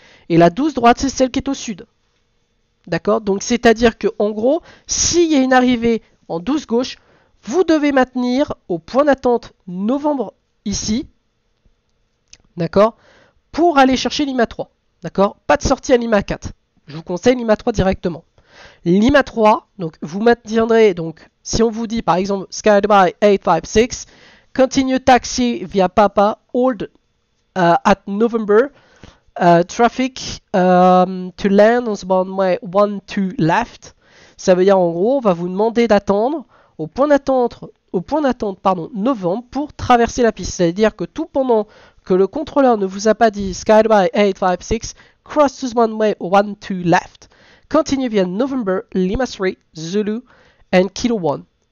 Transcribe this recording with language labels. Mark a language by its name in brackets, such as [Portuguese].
[French] Et la 12 droite, c'est celle qui est au sud. D'accord? Donc, c'est-à-dire que, en gros, s'il y a une arrivée en 12 gauche, vous devez maintenir au point d'attente novembre ici. D'accord? Pour aller chercher Lima 3. D'accord? Pas de sortie à Lima 4. Je vous conseille Lima 3 directement. Lima 3, donc, vous maintiendrez. Donc, si on vous dit, par exemple, Skydubai 856. [English] Continue taxi via Papa, hold at November, traffic to land on my one to left. [French] Ça veut dire en gros, on va vous demander d'attendre au point d'attente, pardon, novembre pour traverser la piste. C'est-à-dire que tout pendant que le contrôleur ne vous a pas dit Skydubai 856, [English] cross to runway one to left, continue via November, Lima 3, Zulu and Kilo 1.